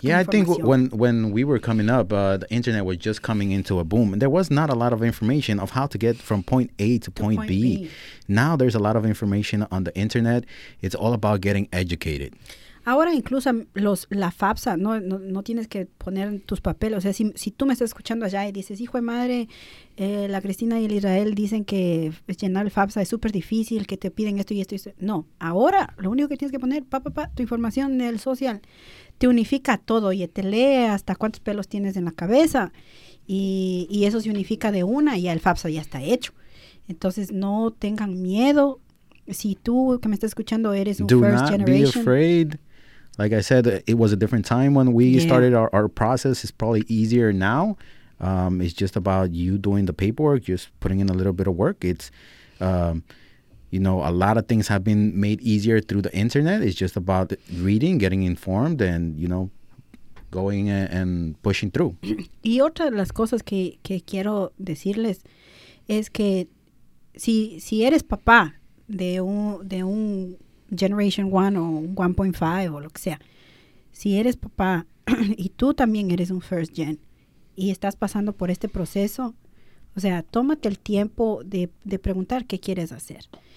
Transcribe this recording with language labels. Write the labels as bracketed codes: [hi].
[en] Yeah, I think when we were coming up, the internet was just coming into a boom, and there was not a lot of information of how to get from point A to point B. Now there's a lot of information on the internet. It's all about getting educated. [es] Ahora incluso la FAFSA, no tienes que poner tus papeles. O sea, si tú me estás escuchando allá y dices, hijo de madre, la Cristina y el Israel dicen que llenar el FAFSA es súper difícil, que te piden esto y esto y esto. No, ahora lo único que tienes que poner, tu información en el social te unifica todo y te lee hasta cuántos pelos tienes en la cabeza. Y eso se unifica de una y ya el FAFSA ya está hecho. Entonces, no tengan miedo. Si tú que me estás escuchando eres un first generation. [en] Do not be afraid. Like I said, it was a different time when we started our process. It's probably easier now. It's just about you doing the paperwork, just putting in a little bit of work. It's, you know, a lot of things have been made easier through the internet. It's just about reading, getting informed, and, you know, going and pushing through. [es] Y otra de las cosas que quiero decirles es que si eres papá de un Generation 1 o 1.5 o lo que sea. Si eres papá y tú también eres un first gen y estás pasando por este proceso, o sea, tómate el tiempo de preguntar qué quieres hacer.